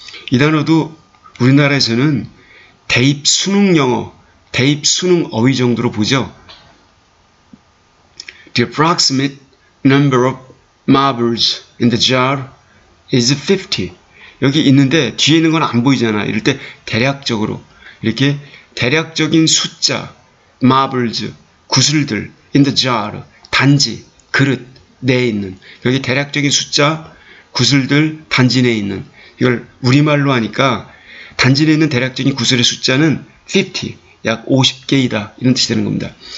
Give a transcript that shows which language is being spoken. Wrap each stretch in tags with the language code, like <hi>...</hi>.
<ko>이 단어도 우리나라에서는 대입 수능 영어, 대입 수능 어휘 정도로 보죠.</ko> <en>The approximate number of marbles in the jar is 50.</en> <ko>여기 있는데 뒤에 있는 건 안 보이잖아. 이럴 때 대략적으로 이렇게 대략적인 숫자 marbles 구슬들</ko> <en>in the jar</en> <ko>단지 그릇 내에 있는 여기 대략적인 숫자 구슬들 단지 내에 있는 이걸 우리말로 하니까 단지 내에 있는 대략적인 구슬의 숫자는 50, 약 50개이다 이런 뜻이 되는 겁니다.</ko>